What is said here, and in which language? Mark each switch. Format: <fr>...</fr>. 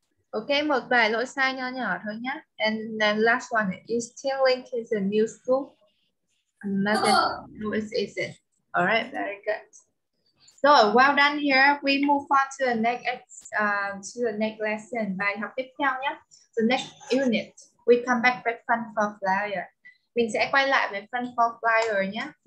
<vi>Ok, một vài lỗi sai nhỏ nhỏ thôi nhé.</vi> <en>And then last one is Tiếng is a new school. No, it isn't. Alright, very good. So, well done here. We move on to the next lesson.</en> <vi>Bài học tiếp theo nhé.</vi> <en>The next unit, we come back with fun for flyer.</en> <vi>Mình sẽ quay lại với fun for flyer nhé.</vi>